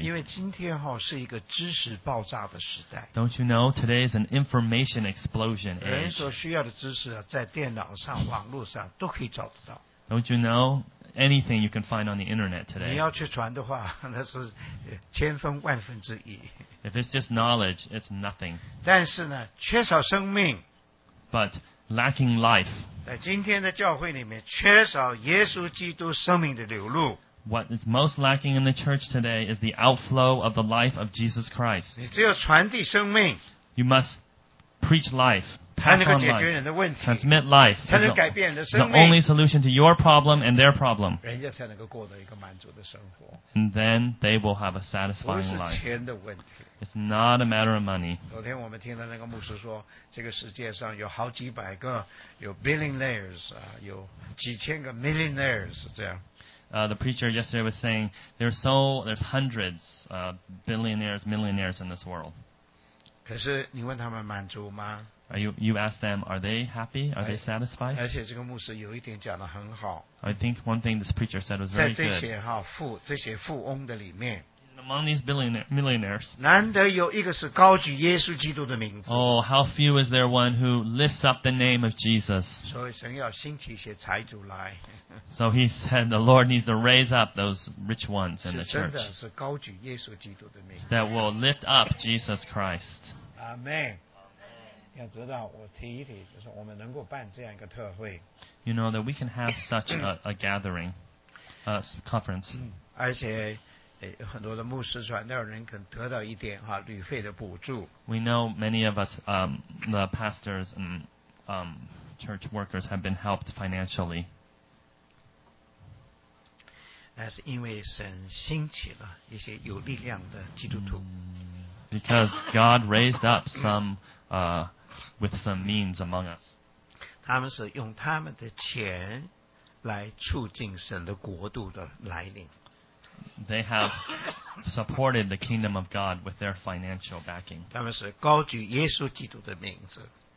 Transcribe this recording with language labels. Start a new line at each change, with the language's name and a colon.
Chinese: 因为今天哈是一个知识爆炸的时代
English: Don't you know today is an information explosion age?
Chinese: 人所需要的知识在电脑上、网络上都可以找得到
English: Don't you know? Anything you can find on the internet today.
Chinese: 你要去传的话，那是千分万分之一。
English: If it's just knowledge, it's nothing.
Chinese: 但是呢，缺少生命。
English: But lacking life.
Chinese: 在今天的教会里面，缺少耶稣基督生命的流露。
English: What is most lacking in the church today is the outflow of the life of Jesus Christ.
Chinese: 你只有传递生命。
English: You must preach life.
Chinese: 才能够解决人的问题
English: transmit life
Chinese: 才能改变人的生命
English: the only solution to your problem and their problem
Chinese: 人家才能够过得一个满足的生活
English: and then they will have a satisfying life
Chinese: 不是钱的问题
English: it's not a matter of money
Chinese: 昨天我们听到那个牧师说这个世界上有好几百个有 billionaires、有几千个 millionaires 这样
English: The preacher yesterday was saying there's hundreds billionaires, millionaires in this world
Chinese: 可是你问他们满足吗
English: Are you ask them, are they happy? Are they satisfied?
Chinese: 而且这个牧师有一点讲得很好。
English: I think one thing this preacher said was very good.
Chinese: 在这些哈富这些富翁的里面
English: ，among these millionaires，
Chinese: 难得有一个是高举耶稣基督的名字。
English: Oh, how few is there one who lifts up the name of Jesus?
Chinese: 所以神要兴起一些财主来。
English: So he said the Lord needs to raise up those rich ones in the church.
Chinese: 是真的是高举耶稣基督的名字。
English: That will lift up Jesus Christ. Amen.
Chinese: 要知道，我提一提，就是我们能够办这样一个特会。
English: You know that we can have such a gathering, a conference.
Chinese: 而且，很多的牧师传道人可能得到一点哈旅费的补助。
English: We know many of us, the pastors and church workers have been helped financially.
Chinese: 那是因为神兴起了一些有力量的基督徒。
English: Because God raised up some, with some means among us.
Chinese: 他们是用他们的钱来促进神的国度的来临。
English: They have supported the kingdom of God with their financial backing.
Chinese: 他们是高举耶稣基督的名字。